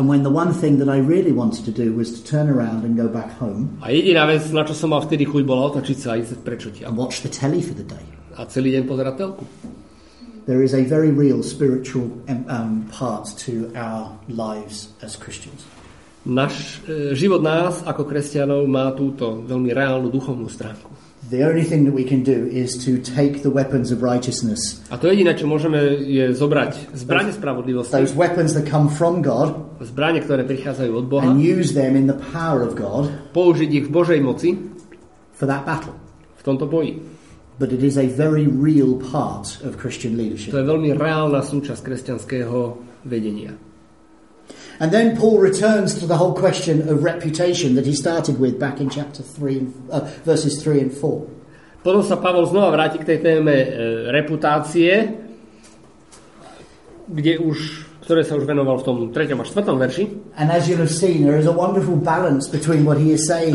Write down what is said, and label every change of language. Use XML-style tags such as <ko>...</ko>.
<en>And when the one thing that I really wanted to do was to turn around and go back home.</en> <sk>A jediná vec, na čo som mal vtedy chuť, bola otočiť sa a ísť preč odtiaľ.</sk> <en>And watch the telly for the day.</en> <sk>A celý deň pozerať telku.</sk> <en>There is a very real spiritual part to our lives as Christians.</en> <sk>Náš život nás ako kresťanov má túto veľmi reálnu duchovnú stránku.</sk> <en>The only thing that we can do is to take the weapons of righteousness.</en> <sk>A to jediné, čo môžeme, je zobrať zbrane spravodlivosti.</sk> <en>Those weapons that come from God.</en> <sk>Zbrane, ktoré prichádzajú od Boha.</sk> <en>And use them in the power of God.</en> <sk>Použiť ich v Božej moci.</sk> <en>For that battle.</en> <sk>V tomto boji.</sk> <en>But it is a very real part of Christian leadership.</en> <sk>To je veľmi reálna súčasť kresťanského vedenia.</sk> <en>And then Paul returns to the whole question of reputation that he started with back in chapter 3 verses 3 and 4.</en> <sk>Potom sa Pavol znova vráti k tej téme reputácie, kde už ktoré sa už venoval v tom 3. a 4. verši.</sk> <en>And as you have seen, there is a wonderful balance between what he is saying.</en>